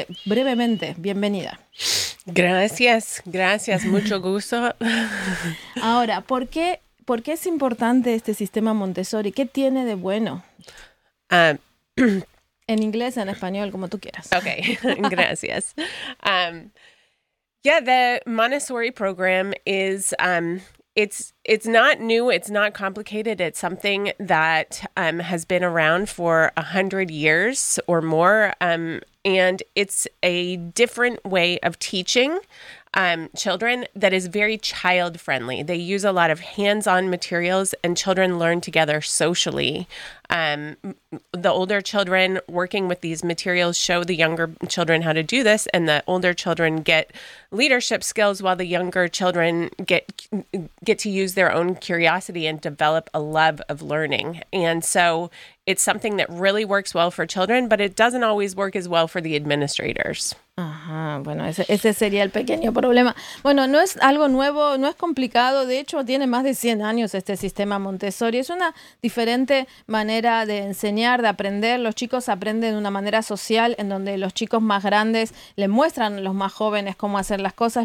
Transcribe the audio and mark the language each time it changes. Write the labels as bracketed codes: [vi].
[es] Brevemente, bienvenida. Gracias, gracias, mucho gusto. Ahora, ¿por qué es importante este sistema Montessori? ¿Qué tiene de bueno? En inglés, en español, como tú quieras. Ok, gracias. [en] Yeah, the Montessori program is it's not new. It's not complicated. It's something that has been around for 100 years or more, and it's a different way of teaching. children that is very child friendly. They use a lot of hands-on materials and children learn together socially. The older children working with these materials show the younger children how to do this, and the older children get leadership skills while the younger children get to use their own curiosity and develop a love of learning. And so it's something that really works well for children, but it doesn't always work as well for the administrators. [es] Ajá, bueno, ese sería el pequeño problema. Bueno, no es algo nuevo, no es complicado. De hecho, tiene más de 100 años este sistema Montessori. Es una diferente manera de enseñar, de aprender. Los chicos aprenden de una manera social en donde los chicos más grandes le muestran a los más jóvenes cómo hacer las cosas.